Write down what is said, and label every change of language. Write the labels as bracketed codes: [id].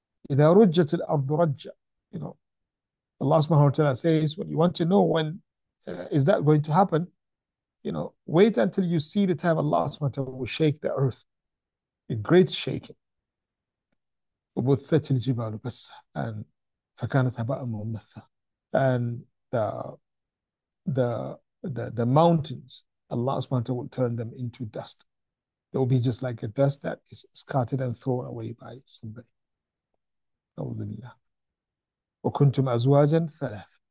[ar] إِذَا رُجَّتِ الْأَرْضُ رَجَّ. [en] You know, Allah subhanahu wa ta'ala says, when you want to know when is that going to happen, you know, wait until you see the time Allah subhanahu wa ta'ala will shake the earth, a great shaking. [ar] وَبُثَّتِ الْجِبَالُ بَسَّ. And فَكَانَتْ هَبَاءً مُنْبَثًّا. [en] And the mountains, Allah subhanahu wa ta'ala will turn them into dust. They will be just like a dust that is scattered and thrown away by somebody. [ar] أعوذ بالله. وَكُنْتُمْ أَزْوَاجًا ثَلَاثًا.